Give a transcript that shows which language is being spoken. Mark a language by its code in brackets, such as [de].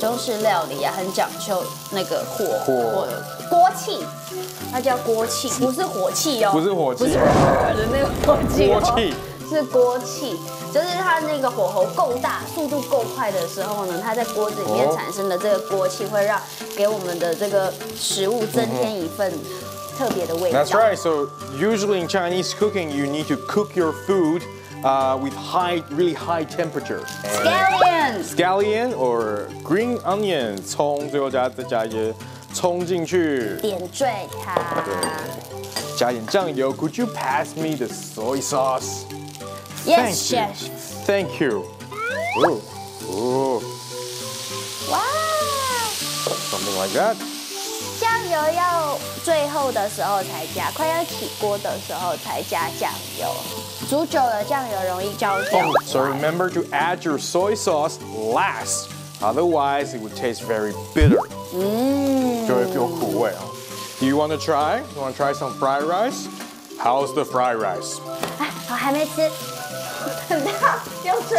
[zh] 中式料理啊，很讲究那个火锅气，它叫锅气，不是火气哦，不是火气，不是那个火气，锅气是锅气，就是它那个火候够大，速度够快的时候呢，它在锅子里面产生的这个锅气，会让给我们的这个食物增添一份特别的味道。 [en] That's right. So usually in Chinese cooking, you need to cook your food. With high, really high temperature. Scallion or green onion, [zh] 葱，最后再加一些葱进去，点缀它。对，加点酱油。 [en] Could you pass me the soy sauce? Yes, chef. Thank you. Oh, oh. Wow. Something like that. [zh] 酱油要最后的时候才加，快要起锅的时候才加酱油。煮久了酱油容易焦掉。 [en] Oh, so remember to add your soy sauce last, otherwise it would taste very bitter. [zh] 就会有苦味啊。 [en] Do you want to try? You want to try some fried rice? How's the fried rice? [zh] 哎，我还没吃，很烫，又吹。